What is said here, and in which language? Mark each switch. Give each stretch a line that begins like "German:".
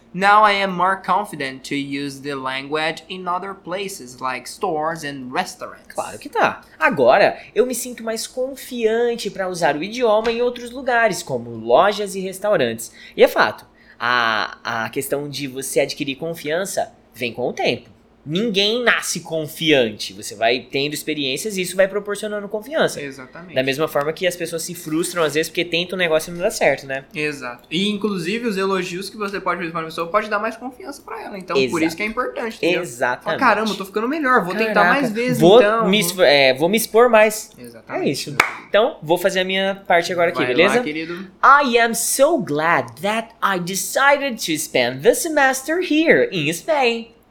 English: Now I am more confident to use the language in other places, like stores and restaurants.
Portuguese: Claro que tá. Agora, eu me sinto mais confiante pra usar o idioma em outros lugares, como lojas e restaurantes. E é fato, a questão de você adquirir confiança vem com o tempo. Ninguém nasce confiante. Você vai tendo experiências e isso vai proporcionando confiança. Exatamente. Da mesma forma que as pessoas se frustram às vezes porque tentam um negócio e não dá certo, né? Exato. E inclusive os elogios que você pode fazer pra uma pessoa pode dar mais confiança pra ela. Então, exato. Por isso que é importante, entendeu? Exatamente. Fala, caramba, tô ficando melhor. Vou Caraca. Tentar mais vezes, vou então. Vou me expor mais. Exatamente. É isso. Então, vou fazer a minha parte agora aqui, vai beleza? Lá, querido.
English: I am so glad that I decided to spend the semester here in Spain.